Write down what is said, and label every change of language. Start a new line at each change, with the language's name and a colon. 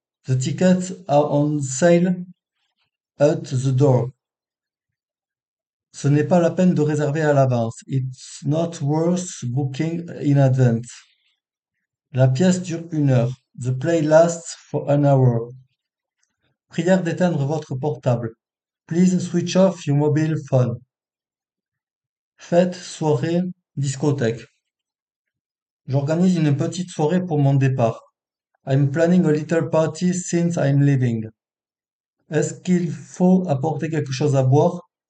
English: The tickets are on sale at the door.
French: Ce n'est pas la peine de réserver à l'avance.
English: It's not worth booking in advance.
French: La pièce dure 1 heure.
English: The play lasts for an hour.
French: Prière d'éteindre votre portable.
English: Please switch off your mobile phone.
French: Fête, soirée, discothèque. J'organise une petite soirée pour mon départ.
English: I'm planning a little party since I'm leaving.
French: Est-ce qu'il faut apporter quelque chose à boire?